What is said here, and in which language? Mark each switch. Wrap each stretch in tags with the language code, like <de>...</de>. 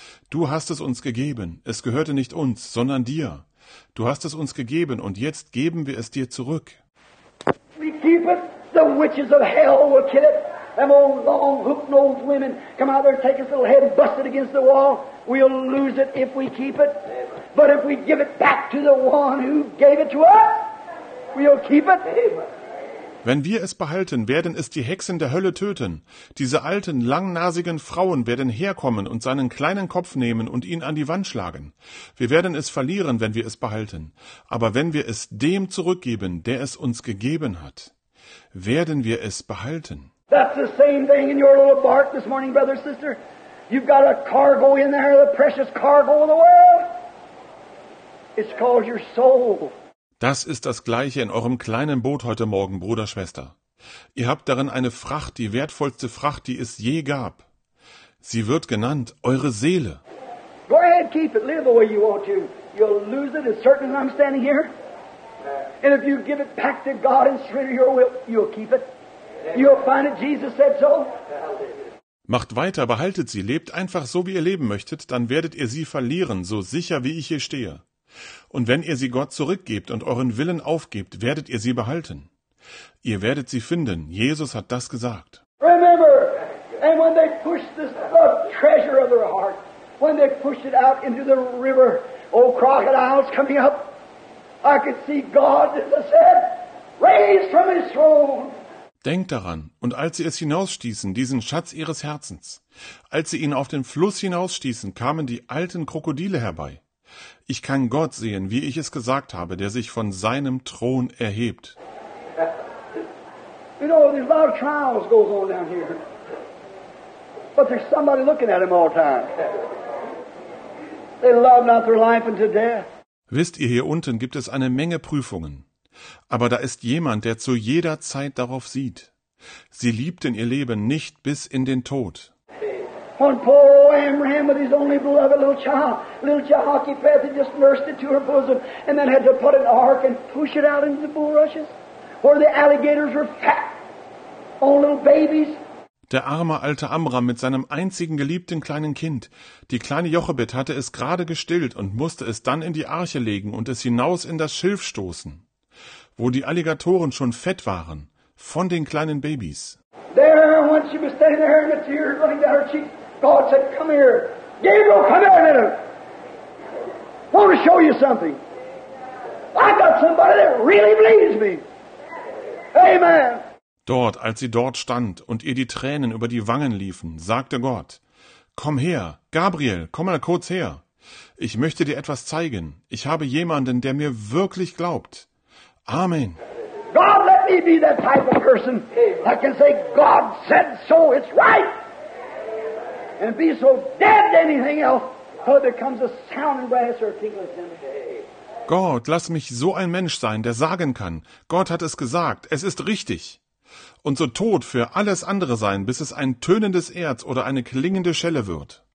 <de>Du hast es uns gegeben, es gehörte nicht uns, sondern dir. Du hast es uns gegeben und jetzt geben wir es dir zurück.</de> <en>We keep it, the witches of hell will kill it. Them old long hook-nosed women come out there and take his little head and bust it against the wall. We'll lose it if we keep it. But if we give it back to the one who gave it to us, we'll keep it.</en> <de>Wenn wir es behalten, werden es die Hexen der Hölle töten. Diese alten, langnasigen Frauen werden herkommen und seinen kleinen Kopf nehmen und ihn an die Wand schlagen. Wir werden es verlieren, wenn wir es behalten. Aber wenn wir es dem zurückgeben, der es uns gegeben hat, werden wir es behalten.</de> <en>That's the same thing in your little bark this morning, brother, sister. You've got a cargo in there, the precious cargo of the world. It's called your soul.</en> <de>Das ist das Gleiche in eurem kleinen Boot heute Morgen, Bruder, Schwester. Ihr habt darin eine Fracht, die wertvollste Fracht, die es je gab. Sie wird genannt eure Seele.</de> <en>Go ahead, keep it. Live the way you want to. You'll lose it as certain as I'm standing here. And if you give it back to God and surrender your will, you'll keep it. You'll find it. Jesus said so.</en> <de>Macht weiter, behaltet sie, lebt einfach so, wie ihr leben möchtet, dann werdet ihr sie verlieren, so sicher, wie ich hier stehe. Und wenn ihr sie Gott zurückgebt und euren Willen aufgebt, werdet ihr sie behalten. Ihr werdet sie finden, Jesus hat das gesagt.</de> <en>Remember, and when they pushed this treasure of their heart, when they pushed it out into the river, old crocodiles coming up, I could see God, as I said, raised from his throne.</en> <de>Denkt daran, und als sie es hinausstießen, diesen Schatz ihres Herzens, als sie ihn auf den Fluss hinausstießen, kamen die alten Krokodile herbei. Ich kann Gott sehen, wie ich es gesagt habe, der sich von seinem Thron erhebt.</de> <en>You know, there's a lot of trials goes on down here. But there's somebody looking at them all the time. They love not their life unto death.</en> <de>Wisst ihr, hier unten gibt es eine Menge Prüfungen. Aber da ist jemand, der zu jeder Zeit darauf sieht. Sie liebten ihr Leben nicht bis in den Tod.</de> <en>When poor Amram with his only beloved little child, little Jehoshaphat, had just nursed it to her bosom and then had to put an ark and push it out into the bulrushes where the alligators were fat on little babies.</en> <de>Der arme alte Amram mit seinem einzigen geliebten kleinen Kind. Die kleine Jochebed hatte es gerade gestillt und musste es dann in die Arche legen und es hinaus in das Schilf stoßen, wo die Alligatoren schon fett waren, von den kleinen Babys.</de> <en>There, when she was standing there and the tears running down her cheeks, God said, come here. Gabriel, come here a minute. I want to show you something. I got somebody that really believes me. Amen.</en> <de>Dort, als sie dort stand und ihr die Tränen über die Wangen liefen, sagte Gott, komm her, Gabriel, komm mal kurz her. Ich möchte dir etwas zeigen. Ich habe jemanden, der mir wirklich glaubt. Amen.</de> <en>God, let me be that type of person that can say, God said so, it's right. And be so dead to anything else, till it becomes a sound and brass or a tingling sound.</en> <de>Gott, lass mich so ein Mensch sein, der sagen kann, Gott hat es gesagt, es ist richtig. Und so tot für alles andere sein, bis es ein tönendes Erz oder eine klingende Schelle wird.</de>